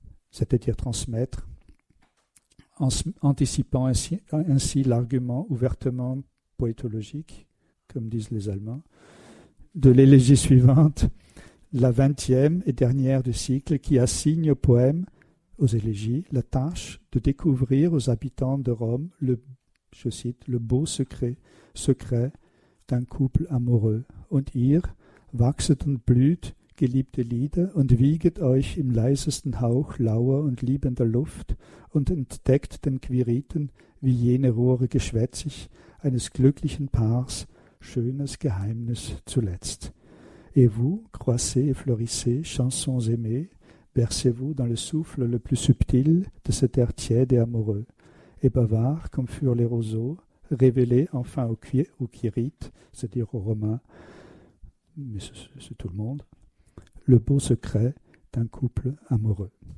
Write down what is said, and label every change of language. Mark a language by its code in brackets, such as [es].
[fr] c'est-à-dire transmettre, en anticipant ainsi l'argument ouvertement poétologique, comme disent les Allemands, de l'élégie suivante, la 20e et dernière du cycle, qui assigne au poème, aux élégies, la tâche de découvrir aux habitants de Rome le, je cite, le beau secret d'un couple amoureux. [de] Und ihr wachset und blüht, geliebte Lieder, und wieget euch im leisesten Hauch lauer und liebender Luft und entdeckt den Quiriten wie jene Rohre geschwätzig eines glücklichen Paars, schönes Geheimnis zuletzt. [fr] Et vous, croissez et fleurissez, chansons aimées, bercez-vous dans le souffle le plus subtil de cet air tiède et amoureux, et bavard comme furent les roseaux, révélés enfin aux Quirites, c'est-à-dire aux Romains, mais c'est tout le monde, le beau secret d'un couple amoureux.